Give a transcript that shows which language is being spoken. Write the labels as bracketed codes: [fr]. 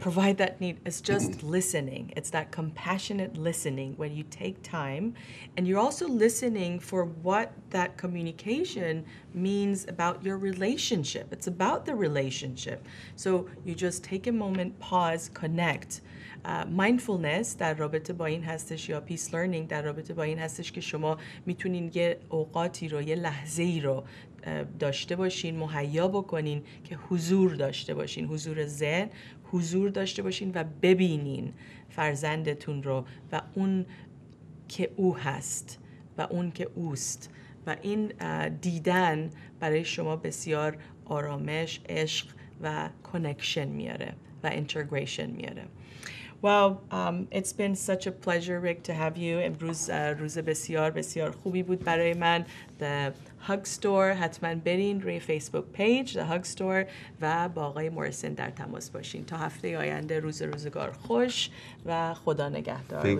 [en] provide that need. It's just listening. It's that compassionate listening when you take time. And you're also listening for what that communication means about your relationship. It's about the relationship. So you just take a moment, pause, connect. [fa] Mindfulness در رابطه با این هستش یا peace learning در رابطه با این هستش که شما میتونین یه اوقاتی رو یه لحظه‌ای رو داشته باشین، مهیا بکنین که حضور داشته باشین، حضور ذهن، حضور داشته باشین و ببینین فرزندتون رو و اون که او هست و اون که اوست و این دیدن برای شما بسیار آرامش، عشق و کانکشن میاره و انتگریشن میاره. [en] Well, it's been such a pleasure, Rick, to have you. [fa] امروز روز بسیار بسیار خوبی بود برای من. The Hug Store, حتما برین روی فیسبوک پیج The Hug Store و با آقای مورسن در تماس باشین. تا هفته آینده روز روزگار خوش و خدا نگهدار.